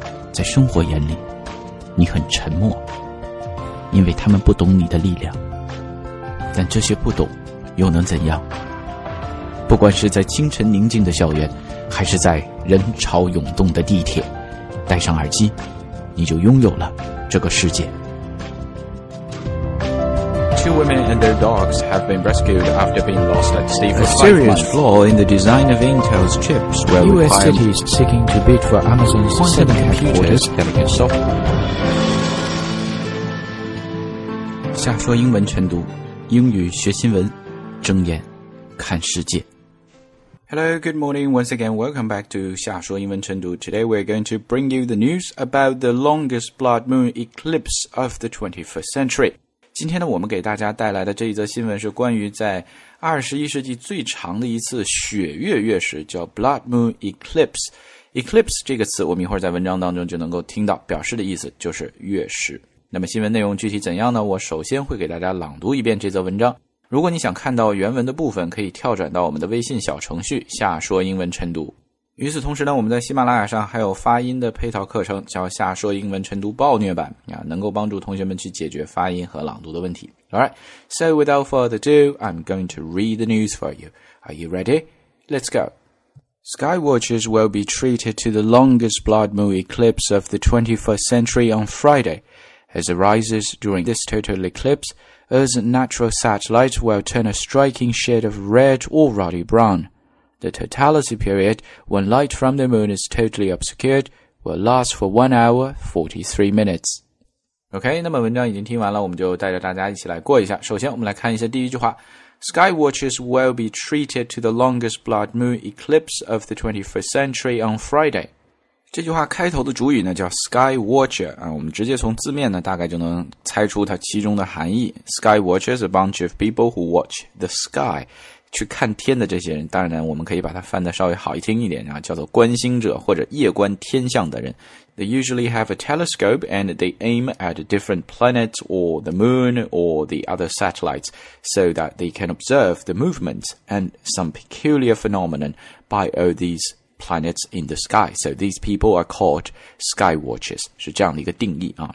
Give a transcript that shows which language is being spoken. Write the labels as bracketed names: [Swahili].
[Chinese] 在生活眼里，你很沉默，因为他们不懂你的力量。但这些不懂又能怎样？不管是在清晨宁静的校园，还是在人潮涌动的地铁，戴上耳机，你就拥有了这个世界。 [English] Two women and their dogs have been rescued after being lost at sea for 5 months. A serious flaw in the design of Intel's chips where U.S. cities seeking to bid for Amazon's 7 headquarters can be solved. [Chinese] 下说英文晨读，英语学新闻，睁眼看世界。 [English] Hello, good morning. Once again, welcome back to 下说英文晨读。 Today, we're going to bring you the news about the longest blood moon eclipse of the 21st century. [Chinese] 今天呢，我们给大家带来的这一则新闻是关于在21世纪最长的一次血月月食，叫 Blood Moon Eclipse。 Eclipse 这个词我们一会儿在文章当中就能够听到，表示的意思就是月食。那么新闻内容具体怎样呢？我首先会给大家朗读一遍这则文章，如果你想看到原文的部分，可以跳转到我们的微信小程序下说英文晨读。与此同时呢，我们在喜马拉雅上还有发音的配套课程，叫下说英文晨读暴虐版，能够帮助同学们去解决发音和朗读的问题。 [English] Alright, so without further ado, I'm going to read the news for you. Are you ready? Let's go. Skywatchers will be treated to the longest blood moon eclipse of the 21st century on Friday. As it rises during this total eclipse, Earth's natural satellite will turn a striking shade of red or ruddy brown. The totality period, when light from the moon is totally obscured, will last for 1 hour 43 minutes. [Chinese] OK, 那么文章已经听完了，我们就带着大家一起来过一下。首先我们来看一下第一句话。 [English] Skywatchers will be treated to the longest blood moon eclipse of the 21st century on Friday. [Chinese] 这句话开头的主语呢叫 Skywatcher,我们直接从字面呢大概就能猜出它其中的含义。 [English] Skywatchers, a bunch of people who watch the sky. [Chinese] 去看天的这些人，当然我们可以把它翻得稍微好一听一点，叫做观星者或者夜观天象的人。 [English] They usually have a telescope and they aim at different planets or the moon or the other satellites so that they can observe the movement and some peculiar phenomenon by all these planets in the sky. So these people are called sky watchers, [Chinese] 是这样的一个定义啊。